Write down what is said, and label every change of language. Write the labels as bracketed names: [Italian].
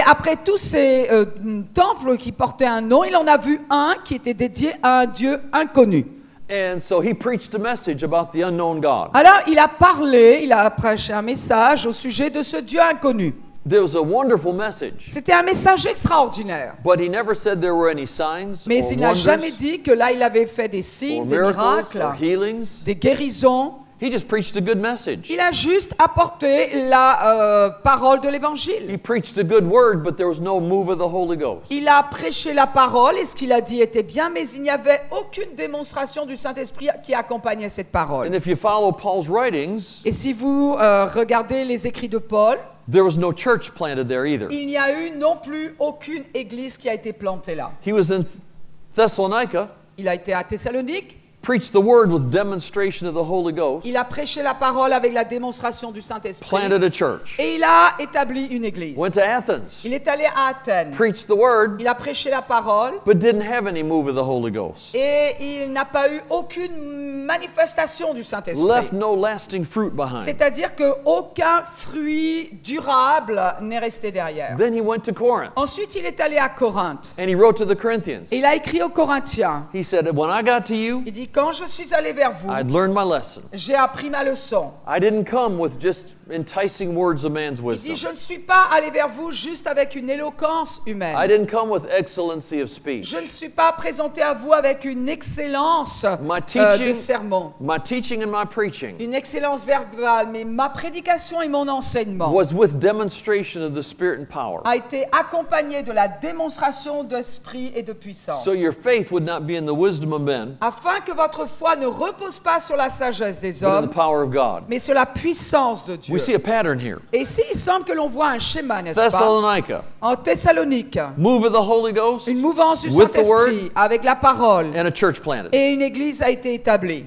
[French] après tous ces temples qui portaient un nom, il en a vu un qui était dédié à un dieu inconnu. [English] And so he preached a message about the unknown God. [French] Alors, il a prêché un message au sujet de ce Dieu inconnu. [English] There was a wonderful message. [French] C'était un message extraordinaire. [English] But he never said there were any signs or wonders. [French] Mais il n'a jamais dit que là il avait fait des signes, des miracles, [English] or healings, [French] des guérisons. [English] He just preached a good message. [French] Il a juste apporté la parole de l'évangile. [English] He preached a good word, but there was no move of the Holy Ghost. [French] Il a prêché la parole et ce qu'il a dit était bien, mais il n'y avait aucune démonstration du Saint-Esprit qui accompagnait cette parole. [English] And if you follow Paul's writings, [French] et si vous regardez les écrits de Paul, [English] there was no church planted there either. [French] Il n'y a eu non plus aucune église qui a été plantée là. [English] He was in Thessalonica. [French] Il a été à Thessalonique. [English] Preached the word with demonstration of the Holy Ghost. [French] Il a prêché la parole avec la démonstration du Saint-Esprit. [English] Planted a church. [French] Et il a établi une église. [English] Went to Athens. [French] Il est allé à Athènes. [English] Preached the word. [French] Il a prêché la parole. [English] But didn't have any move of the Holy Ghost. [French] Et il n'a pas eu aucune manifestation du Saint-Esprit. [English] Left no lasting fruit behind. [French] C'est-à-dire que aucun fruit durable n'est resté derrière. [English] Then he went to Corinth. [French] Ensuite, il est allé à Corinthe. [English] And he wrote to the Corinthians. [French] Et il a écrit aux Corinthiens. [English] He said, when I got to you, [French] il dit, quand je suis allé vers vous, [English] I'd learned my lesson. [French] J'ai appris ma leçon. [English] I didn't come with just enticing words of man's wisdom. [French] Il dit, je ne suis pas allé vers vous juste avec une éloquence humaine. [English] I didn't come with excellency of speech. [French] Je ne suis pas présenté à vous avec une excellence de sermon. [English] My teaching and my preaching. [French] Une excellence verbale, mais ma prédication et mon enseignement [English] was with demonstration of the Spirit and power. [French] A été accompagné de la démonstration d'esprit et de puissance. [English] So your faith would not be in the wisdom of men. [French] Afin que votre foi ne repose pas sur la sagesse des hommes, mais sur la puissance de Dieu. [English] We see a pattern here. [French] Et ici, il semble que l'on voit un schéma, n'est-ce pas? [English] Thessalonica. [French] En Thessalonique. [English] Move of the Holy Ghost. [French] Une mouvance du Saint-Esprit avec la parole. [English] And a church planted. [French] Et une église a été établie.